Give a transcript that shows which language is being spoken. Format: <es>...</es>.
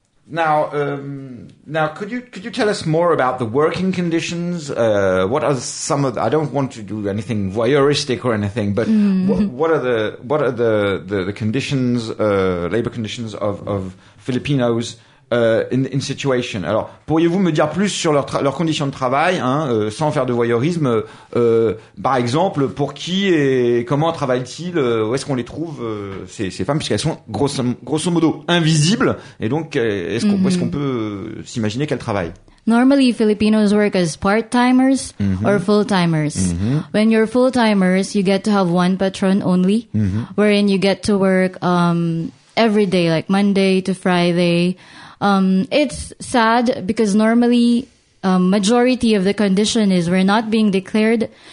<en>Now, could you tell us more about the working conditions? What are some of the, I don't want to do anything voyeuristic or anything, but what are the conditions, labor conditions of Filipinos in situation?</en> <fr>Alors, pourriez-vous me dire plus sur leurs conditions de travail, hein, sans faire de voyeurisme? Par exemple, pour qui et comment travaillent-ils? Où est-ce qu'on les trouve, ces femmes, puisqu'elles sont grosso modo invisibles? Et donc, est-ce qu'on peut s'imaginer qu'elles travaillent?</fr> <en>Normally, Filipinos work as part-timers or full-timers. Mm-hmm. When you're full-timers, you get to have one patron only, wherein you get to work every day, like Monday to Friday. It's sad because normally majority of the condition is we're not being declared.</en>